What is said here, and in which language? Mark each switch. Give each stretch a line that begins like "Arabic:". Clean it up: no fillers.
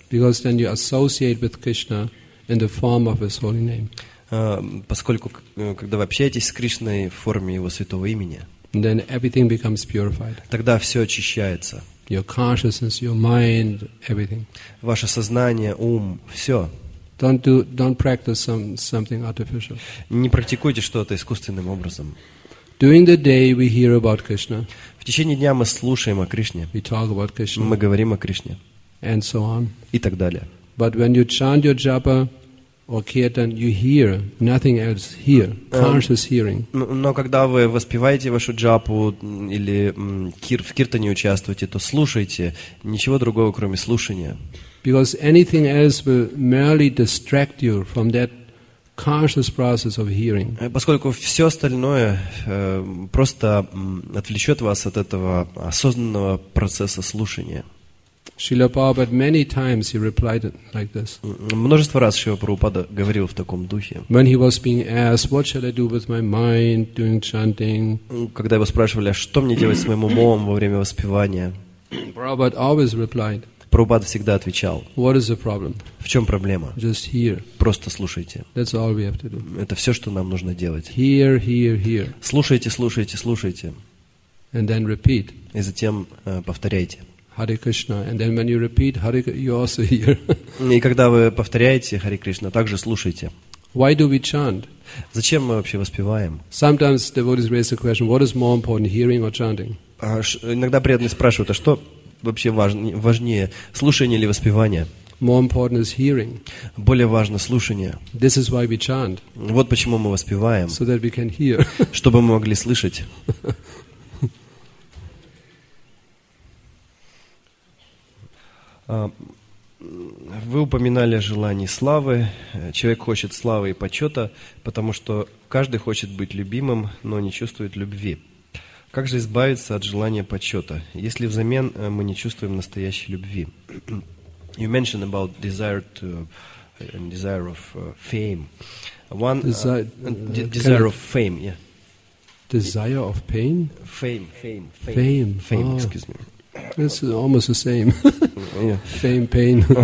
English: Because then you associate with Krishna in the form of His holy name.
Russian: поскольку когда вы общаетесь с Кришной в форме Его святого имени,
English: then everything becomes purified.
Russian: Тогда все очищается.
English: Your consciousness, your mind, everything.
Russian: Ваше сознание, ум, все.
English: Don't practice something artificial.
Russian: Не практикуйте что-то искусственным образом.
English: During the day we hear about Krishna.
Russian: В течение дня мы слушаем о Кришне.
English: We talk about Krishna.
Russian: Мы говорим о Кришне.
English: And so on.
Russian: И так далее.
English: But when you chant your japa or kirtan, you hear nothing else. Hear conscious hearing.
Russian: Но когда вы воспеваете вашу джапу или в киртане участвуете, то слушайте ничего другого, кроме слушания.
English: Because anything else will merely distract you from that conscious process of hearing.
Russian: Поскольку все остальное просто отвлечет вас от этого осознанного процесса слушания.
English: Srila Prabhupada many times he replied like this.
Russian: Множество раз Шрила Прабхупада говорил в таком духе.
English: When he was being asked, what shall I do with my mind doing chanting?
Russian: Когда его спрашивали, что мне делать с моим умом во время воспевания?
English: Prabhupada always replied.
Russian: Прабхупада всегда отвечал.
English: What is the problem?
Russian: В чем проблема?
English: Just hear.
Russian: Просто слушайте.
English: That's all we have to do.
Russian: Это все, что нам нужно делать.
English: Hear, hear, hear.
Russian: Слушайте, слушайте, слушайте.
English: And then repeat.
Russian: И затем повторяйте.
English: Hare Krishna. And then when you repeat, Hare, you also hear.
Russian: И когда вы повторяете Hare Krishna, также слушайте.
English: Why do we chant?
Russian: Зачем мы вообще воспеваем?
English: Sometimes devotees raise the question, what is more important, hearing or chanting?
Russian: Иногда преданные спрашивают, а что вообще важнее, слушание или воспевание?
English: More important is hearing.
Russian: Более важно слушание.
English: This is why we chant.
Russian: Вот почему мы воспеваем.
English: So that we can hear.
Russian: Чтобы мы могли слышать. Вы упоминали о желании славы. Человек хочет славы и почета, потому что каждый хочет быть любимым, но не чувствует любви. Как же избавиться от желания почета, если взамен мы не чувствуем настоящей любви?
English: You mentioned about desire to and desire of fame. One desire of fame, yeah. Desire of pain? Fame. Oh. Excuse me. It's almost the same. Yeah. Fame, pain.